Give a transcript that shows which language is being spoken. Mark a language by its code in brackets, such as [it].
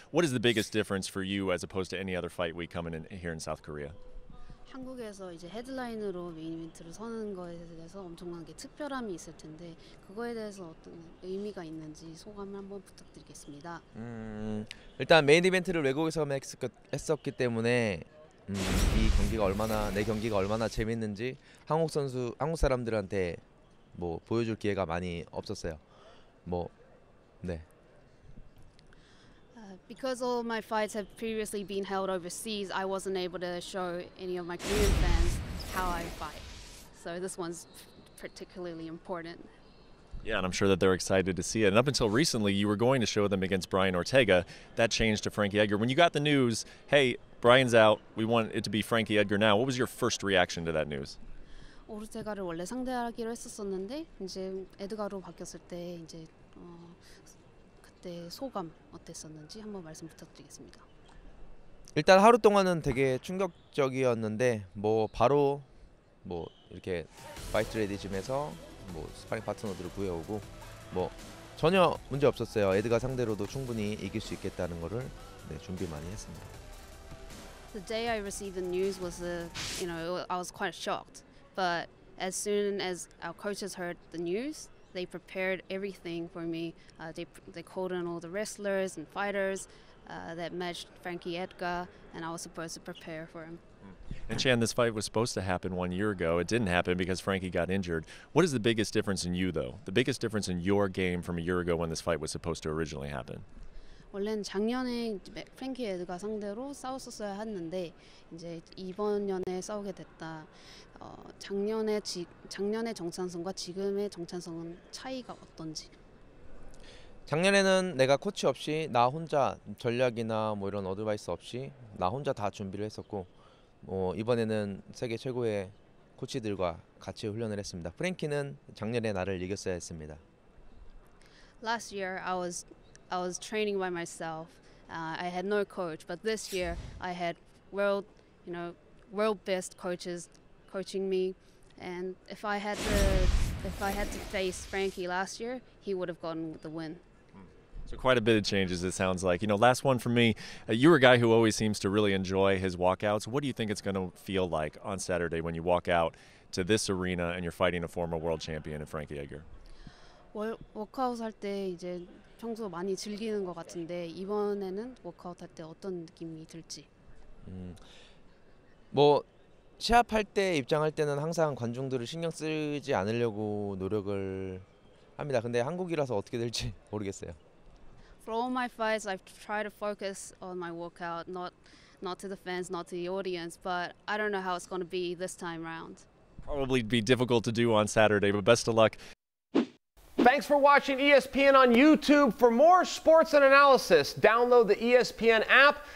[en] What is the biggest difference for you as opposed to any other fight week coming in here in South Korea? [ko] 한국에서 이제 헤드라인으로 메인 이벤트를 서는 거에 대해서 엄청난 게 특별함이 있을 텐데 그거에 대해서 어떤 의미가 있는지 소감을 한번 부탁드리겠습니다. 일단 메인 이벤트를 외국에서 했었기 때문에 이 경기가 얼마나 내 경기가 얼마나 재밌는지 한국 선수 한국 사람들한테 뭐 보여줄 기회가 많이 없었어요. 뭐 네. [en] Because all my fights have previously been held overseas, I wasn't able to show any of my Korean fans how I fight. So this one's particularly important. Yeah, and I'm sure that they're excited to see it. And up until recently, you were going to show them against Brian Ortega. That changed to Frankie Edgar. When you got the news, hey, Brian's out, we want it to be Frankie Edgar now, what was your first reaction to that news? [ko] 오르테가를 원래 상대하기로 했었었는데 이제 에드가로 바뀌었을 때 이제 그때 소감 어땠었는지 한번 말씀 부탁드리겠습니다. 일단 하루 동안은 되게 충격적이었는데 뭐 바로 뭐 이렇게 파이트 레디 짐에서 뭐 스파링 파트너들을 구해오고 뭐 전혀 문제 없었어요. 에드가 상대로도 충분히 이길 수 있겠다는 거를 네, 준비 많이 했습니다. [en] The day I received the news was I was quite shocked. But as soon as our coaches heard the news, they prepared everything for me. They called in all the wrestlers and fighters that matched Frankie Edgar, and I was supposed to prepare for him. And Chan, this fight was supposed to happen 1 year ago. It didn't happen because Frankie got injured. What is the biggest difference in you, though? The biggest difference in your game from a year ago when this fight was supposed to originally happen? [ko] 원래는 작년에 프랭키 에드가 상대로 싸웠었어야 했는데 이제 이번 년에 싸우게 됐다. 작년에 정찬성과 지금의 정찬성은 차이가 어떤지. 작년에는 내가 코치 없이 나 혼자 전략이나 뭐 이런 어드바이스 없이 나 혼자 다 준비를 했었고 뭐 이번에는 세계 최고의 코치들과 같이 훈련을 했습니다. 프랭키는 작년에 나를 이겼어야 했습니다. [en] Last year I was training by myself. I had no coach, but this year I had world best coaches coaching me. And if I had to face Frankie last year, he would have gotten the win. So quite a bit of changes, it sounds like. You know, last one for me. You're a guy who always seems to really enjoy his walkouts. What do you think it's going to feel like on Saturday when you walk out to this arena and you're fighting a former world champion in Frankie Edgar? [ko] 워크아웃 할 때 이제 평소 많이 즐기는 것 같은데 이번에는 워크아웃 할 때 어떤 느낌이 들지? 뭐 시합할 때 입장할 때는 항상 관중들을 신경 쓰지 않으려고 노력을 합니다. 근데 한국이라서 어떻게 될지 모르겠어요. [en] For all my fights, I've tried to focus on my workout, not to the fans, not to the audience. But I don't know how it's going to be this time round. Probably be difficult to do on Saturday, but best of luck. Thanks for watching ESPN on YouTube. For more sports and analysis, download the ESPN app.